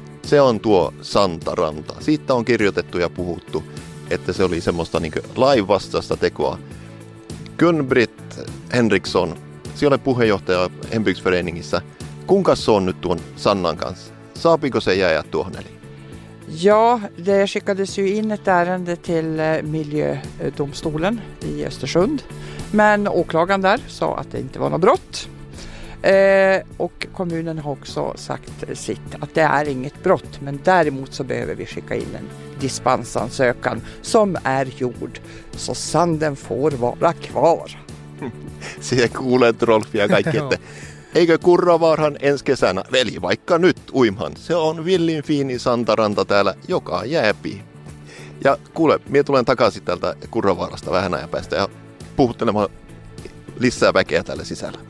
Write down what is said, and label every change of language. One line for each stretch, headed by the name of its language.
Tornedalen Finnish: Se on tuo Santaranta. Siitä on kirjoitettu ja puhuttu, että se oli semmoista niin kuin laivastasta tekoa. Gunn-Britt Henriksson, siellä puheenjohtaja Hembygdsföreningissä. Kuinka se on nyt tuon Sannan kanssa? Saapiko se jäädä tuohon eli?
Swedish: Ja, det skickades ju in ett ärende till miljödomstolen i Östersund. Men åklagaren där sa att det inte var något brott. Och kommunen har också sagt sitt, att det är inget brott. Men däremot så behöver vi skicka in en dispensansökan som är gjord. Så sanden får vara kvar.
Tornedalen Finnish: Se kuulet Rolfia kaikki, että eikö Kurravaarahan ensi kesänä, veli, vaikka nyt uimhan. Se on villin fiini Santaranta täällä, joka jääpi. Ja kuule, minä tulen takaisin täältä Kurravaarasta vähän ajan päästä ja puhuttelemaan lisää väkeä täällä sisällä.